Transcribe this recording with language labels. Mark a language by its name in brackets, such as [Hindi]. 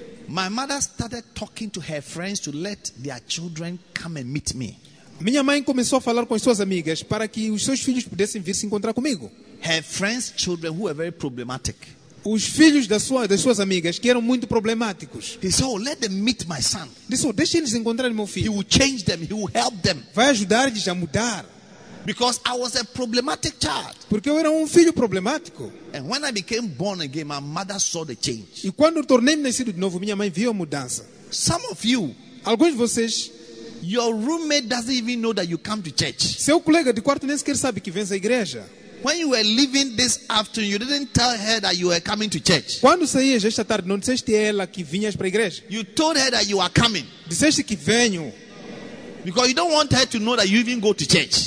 [English] my mother started talking to her friends to let their children come and meet me. [Portuguese] Minha mãe começou a falar com as suas amigas para que os seus filhos pudessem vir se encontrar comigo. [English] Her friends' children who were very problematic. [Portuguese] Os filhos das suas amigas que eram muito problemáticos. [English] They said, oh, let them meet my son. [Portuguese] Disse, oh, deixe eles encontrar meu filho. [English] He will change them. He will help them. [Portuguese] Vai ajudar-lhes a mudar. [English] Because I was a problematic child. [Portuguese] Porque eu era filho problemático. [English] And when I became born again, my mother saw the change. [Portuguese] E quando tornei-me nascido de novo, minha mãe viu a mudança. [English] Some of you, [Portuguese] alguns de vocês, [English] your roommate doesn't even know that you come to church. [Portuguese] Seu colega de quarto nem sequer sabe que vens à igreja. [English] When you were leaving this afternoon, you didn't tell her that you were coming to church. [Portuguese] Quando saías esta tarde, não disseste a ela que vinhas para a igreja. [English] You told her that you are coming. [Portuguese] Disseste que venho. [English] Because you don't want her to know that you even go to church.